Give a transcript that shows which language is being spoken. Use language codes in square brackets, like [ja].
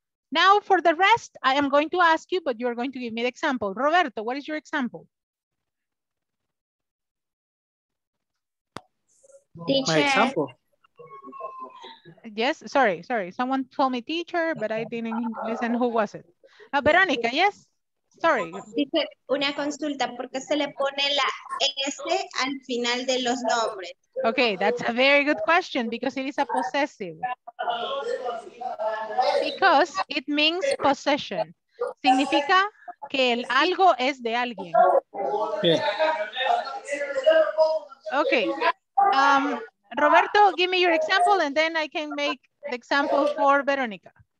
[en] Now for the rest, I am going to ask you, but you are going to give me the example. Roberto, what is your example? Teacher. My example. Yes, sorry, sorry. Someone told me teacher, but I didn't listen. Who was it? Veronica, yes. Sorry. [es] Dice una consulta, porque se le pone la S al final de los nombres. [en] Okay, that's a very good question because it is a possessive. Because it means possession. [es] Significa que el algo es de alguien. [en] Okay. Roberto, give me your example and then I can make the example for Veronica.